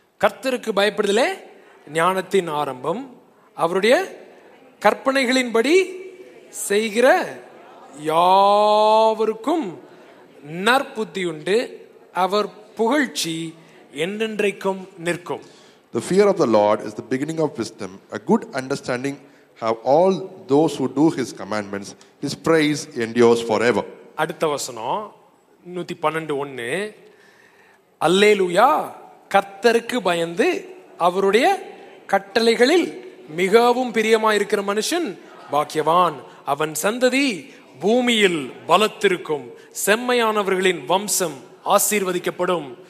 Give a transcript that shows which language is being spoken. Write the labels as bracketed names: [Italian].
[Tamil] கர்த்தருக்கு பயப்படுதலே ஞானத்தின் ஆரம்பம், அவருடைய கற்பனைகளின்படி செய்கிற யாவருக்கும் நற்புத்தி உண்டு, அவர் புகழ்ச்சி என்றென்றைக்கும் நிற்கும். [English] The fear of the Lord is the beginning of wisdom, a good understanding have all those who do his commandments, his praise endures forever. [Tamil] அடுத்த வசனம் 112:1. அல்லேலூயா, கர்த்தருக்கு பயந்து அவருடைய கட்டளைகளில் மிகவும் பிரியமாயிருக்கிற மனுஷன் பாக்கியவான், அவன் சந்ததி பூமியில் பலத்திருக்கும், செம்மையானவர்களின் வம்சம் ஆசீர்வதிக்கப்படும்,